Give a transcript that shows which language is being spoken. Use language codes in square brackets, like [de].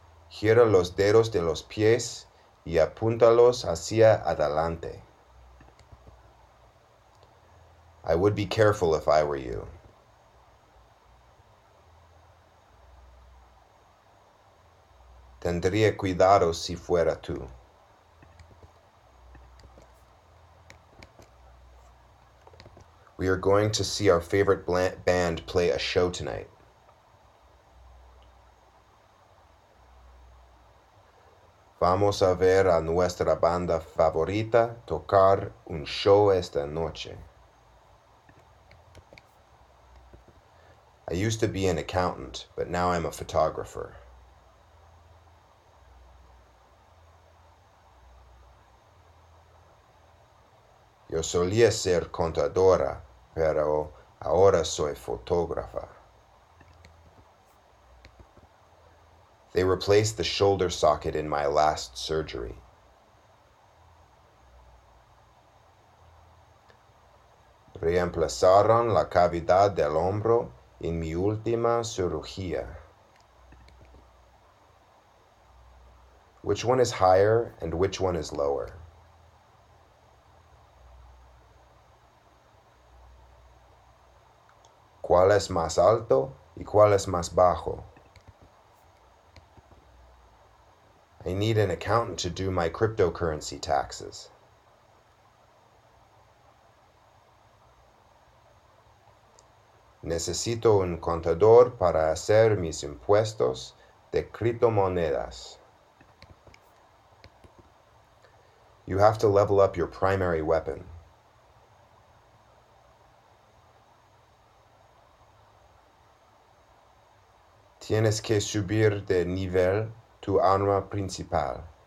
[es] Gira los dedos de los pies y apúntalos hacia adelante. [en] I would be careful if I were you. [es] Tendría cuidado si fuera tú. [en] We are going to see our favorite band play a show tonight. [es] Vamos a ver a nuestra banda favorita tocar un show esta noche. [en] I used to be an accountant, but now I'm a photographer. [es] Yo solía ser contadora, pero ahora soy fotógrafa. [en] They replaced the shoulder socket in my last surgery. [es] Reemplazaron la cavidad del hombro en mi última cirugía. [en] Which one is higher and which one is lower? [es] ¿Cuál es más alto y cuál es más bajo? [en] I need an accountant to do my cryptocurrency taxes. [es] Necesito un contador para hacer mis impuestos de criptomonedas. [en] You have to level up your primary weapon. [es] Tienes que subir de nivel tu arma principal.